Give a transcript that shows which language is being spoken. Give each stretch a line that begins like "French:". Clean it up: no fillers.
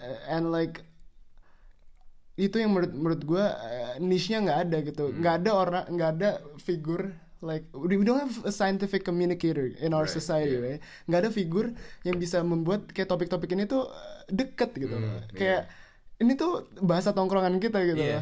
Indonesian: And like itu yang menurut gue niche-nya enggak ada gitu.
English: Enggak ada orang, enggak ada figur, like we don't have a scientific communicator in our society, right?
Indonesian: Enggak ada figur yang bisa membuat kayak topik-topik ini tuh deket gitu. Kayak ini tuh bahasa tongkrongan kita gitu.